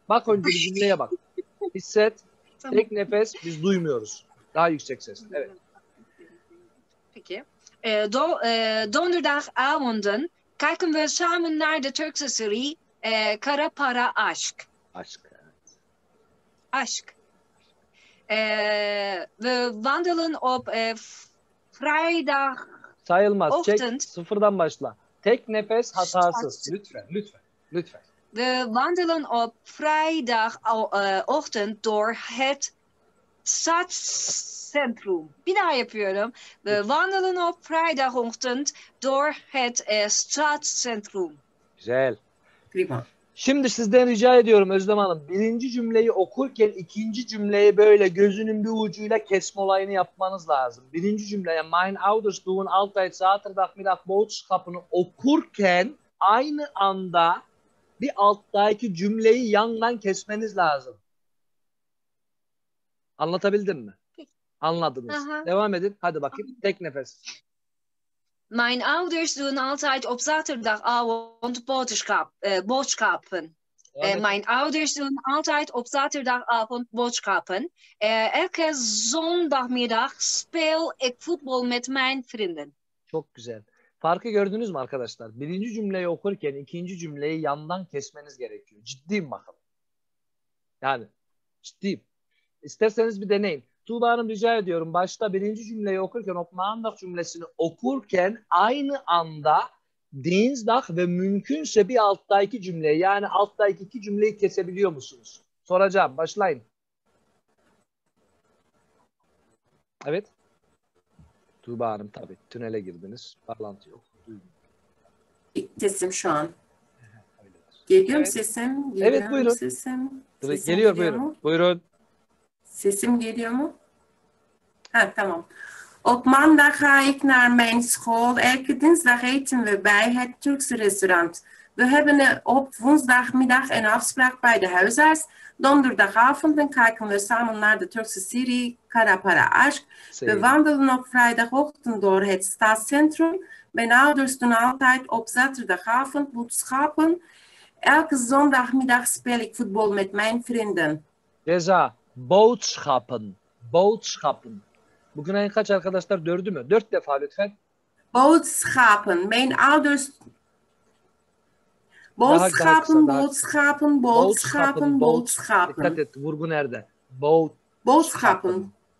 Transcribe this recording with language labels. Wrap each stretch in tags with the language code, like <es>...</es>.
<tr>Bak önce bir cümleye bak. Hisset. Tamam. Tek nefes biz duymuyoruz. Daha yüksek ses. Evet. Peki.</tr> <nl>Donderdagavonden kijken we samen naar de Turkse serie Kara Para Aşk.</nl> <tr>Aşk.</tr> <nl>Aşk. We wandelen op vrijdag.</nl> <tr>Sayılmaz. Ochtend. Çek, sıfırdan başla. Tek nefes hatasız. Lütfen, lütfen, lütfen.</tr> <nl>We wandelen op vrijdag ochtend door het stadscentrum.</nl> <tr>Bir daha yapıyorum.</tr> <nl>We wandelen op vrijdag ochtend door het stadscentrum.</nl> <tr>Güzel.</tr> <nl>Prima.</nl> <tr>Şimdi sizden rica ediyorum Özlem Hanım. Birinci cümleyi okurken ikinci cümleyi böyle gözünün bir ucuyla kesme olayını yapmanız lazım. Birinci cümleye</tr> <nl>mein Auders doen altijd zaterdag middag boodschappen'ı</nl> <tr>okurken aynı anda bir alttaki cümleyi yandan kesmeniz lazım. Anlatabildim mi? Anladınız. Aha. Devam edin. Hadi bakayım. Tek nefes.</tr> <nl>Mijn ouders doen altijd op zaterdagavond boodschappen. Mijn ouders doen altijd op zaterdagavond boodschappen. Elke zondagmiddag speel ik voetbal met mijn vrienden.</nl> <tr>Çok güzel. Farkı gördünüz mü arkadaşlar? Birinci cümleyi okurken ikinci cümleyi yandan kesmeniz gerekiyor. Ciddiyim bakalım. Yani ciddiyim. İsterseniz bir deneyin. Tuğba Hanım rica ediyorum. Başta birinci cümleyi okurken, opmağındak cümlesini okurken aynı anda dinsdag ve mümkünse bir altta iki cümleyi, yani altta iki cümleyi kesebiliyor musunuz? Soracağım. Başlayın. Evet. Tuğba Hanım tabii. Tünele girdiniz. Bağlantı yok. Sesim şu an. Geliyor mu sesim? Geliyor evet buyurun. Sesim. Geliyor, geliyor buyurun. Mu? Buyurun. Sesim geliyor mu? Ha tamam.</tr> <nl>Op maandag ga ik naar mijn school. Elke dinsdag eten we bij het Turkse restaurant. We hebben op woensdagmiddag een afspraak bij de huisarts. Donderdagavond kijken we samen naar de Turkse serie Kara Para Aşk. We wandelen op vrijdagochtend door het stadscentrum. Mijn ouders doen altijd op zaterdagavond boodschappen. Elke zondagmiddag speel ik voetbal met mijn vrienden. Ceza, boodschappen. Boodschappen.</nl> <tr>Bugün en kaç arkadaşlar dördü mü? Dört defa lütfen.</tr> <nl>Boodschappen. Mijn ouders... Boodschappen, boodschappen, boodschappen, boodschappen.</nl> <tr>Dikkat et, vurgu nerede? Boot.</tr> <nl>Boodschappen.</nl>